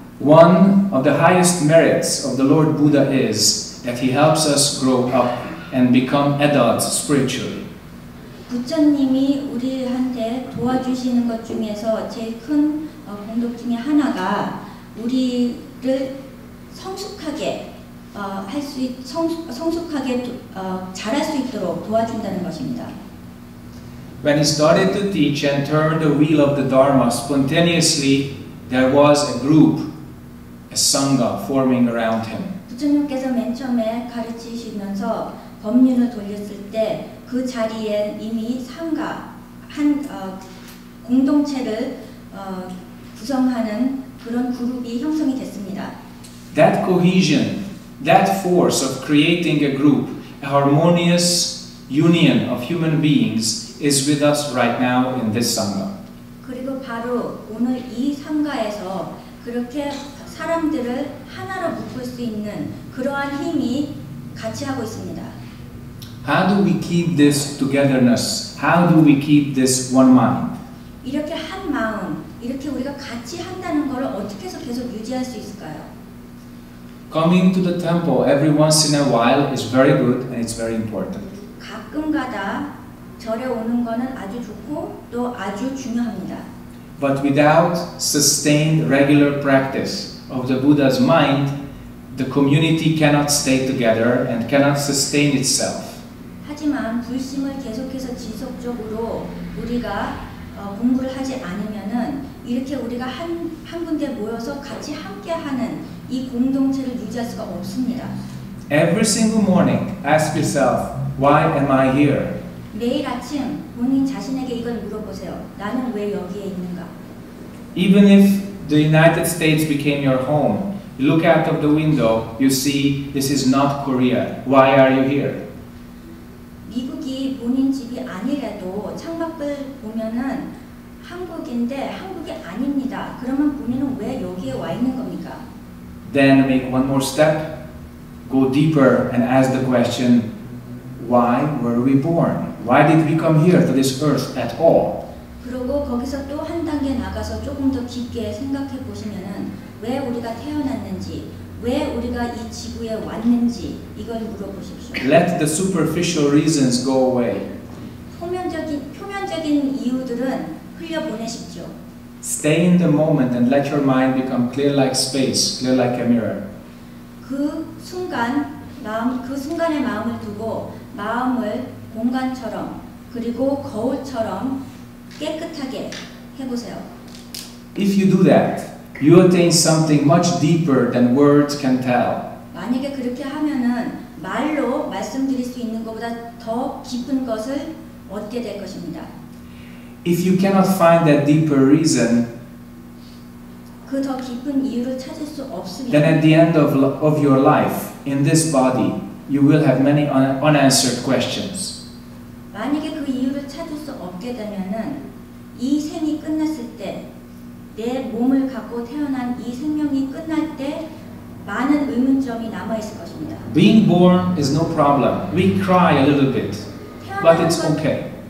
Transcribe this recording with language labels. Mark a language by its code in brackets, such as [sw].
[en] One of the highest merits of the Lord Buddha is that he helps us grow up and become adults spiritually. [ko] 부처님이 우리한테 도와주시는 것 중에서 제일 큰 공덕 중에 하나가 우리를 성숙하게 할 수 성숙하게 자랄 수 있도록 도와준다는 것입니다. [en] When he started to teach and turn the wheel of the Dharma spontaneously, there was a group, a sangha forming around him. [ko] 부처님께서 맨 처음에 가르치시면서 법륜을 돌렸을 때 그 자리에 이미 상가 한 공동체를 구성하는 그런 그룹이 형성이 됐습니다. [en] That cohesion, that force of creating a group, a harmonious union of human beings is with us right now in this sangha. [ko] 그리고 바로 오늘 이 상가에서 그렇게 사람들을 하나로 묶을 수 있는 그러한 힘이 같이 하고 있습니다. [en] How do we keep this togetherness? How do we keep this one mind? [ko] 이렇게 한 마음, 이렇게 우리가 같이 한다는 걸 어떻게 해서 계속 유지할 수 있을까요? [en] Coming to the temple every once in a while is very good and it's very important. [ko] 가끔 가다 절에 오는 거는 아주 좋고 또 아주 중요합니다. [en] But without sustained regular practice of the Buddha's mind, the community cannot stay together and cannot sustain itself. [ko] 하지만 불심을 계속해서 지속적으로 우리가 공부를 하지 않으면은 이렇게 우리가 한 군데 모여서 같이 함께 하는 이 공동체를 유지할 수가 없습니다. [en] Every single morning, ask yourself, why am I here? [ko] 매일 아침 본인 자신에게 이걸 물어보세요. 나는 왜 여기에 있는가? [en] Even if the United States became your home, you look out of the window, you see this is not Korea. Why are you here? [ko] 미국이 본인 집이 아니라도 창밖을 보면은 한국인데 한국이 아닙니다. 그러면 본인은 왜 여기에 와 있는 겁니까? [en] Then make one more step, go deeper and ask the question, why were we born? Why did we come here to this earth at all? [ko] 그리고 거기서 또 한 단계 나가서 조금 더 깊게 생각해 보시면은 왜 우리가 태어났는지, 왜 우리가 이 지구에 왔는지 이걸 물어보십시오. [en] Let the superficial reasons go away. [ko] 표면적인 이유들은 흘려보내십시오. [en] Stay in the moment and let your mind become clear like space, clear like a mirror. [ko] 그 순간에 마음을 두고 마음을 공간처럼 그리고 거울처럼 깨끗하게 해보세요. [en] If you do that, you attain something much deeper than words can tell. [ko] 만약에 그렇게 하면은 말로 말씀드릴 수 있는 것보다 더 깊은 것을 얻게 될 것입니다. [en] If you cannot find that deeper reason, [ko] 그 더 깊은 이유를 찾을 수 없으면, [en] then at the end of your life in this body, you will have many unanswered questions. [ko] 만약에 그 이유를 찾을 수 없게 되면은 이 생이 끝났을 때, 내 몸을 갖고 태어난 이 생명이 끝날 때 많은 의문점이 남아 있을 것입니다. [en] Being born is no problem. We cry a little bit. But it's okay.